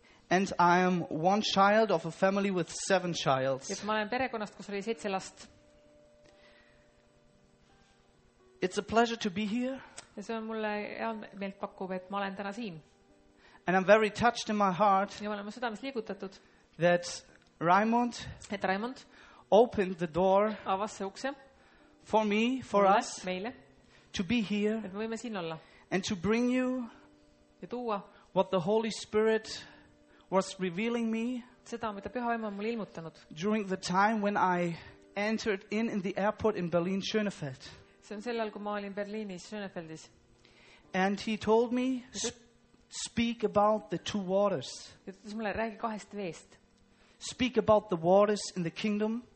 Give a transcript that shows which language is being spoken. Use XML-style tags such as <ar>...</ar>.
<en>And I am one child of a family with 7 children.</en> <et>Et ma olen perekonnast, kus oli 7 last.</et> <en>It's a pleasure to be here.</en> <et>Ja see on mulle meelt pakkuv, et ma olen täna siin.</et> <en>And I'm very touched in my heart.</en> <et>Ja ma olen südames liigutatud.</et> <en>That Raimond.</en> <et>Et Raimond.</et> <en>Opened the door.</en> <et>Avas see ukse.</et> <en>For me, for</en> <et>mulle,</et> <en>us.</en> <et>Meile.</et> <en>To be here.</en> <et>Et me võime siin olla.</et> <en>And to bring you.</en> <et>Ja tuua.</et> <en>What the Holy Spirit was revealing me.</en> <et>Seda, mida püha vaim on mul ilmutanud.</et> <en>During the time when I entered in the airport in Berlin Schönefeld.</en> <et>See on sellel, kui ma olin Berliinis Schönefeldis.</et> <en>And he told me Speak about the two waters.</en> <et>Ütles mulle, räägi kahest veest.</et> <en>Speak about the waters in the kingdom.</en>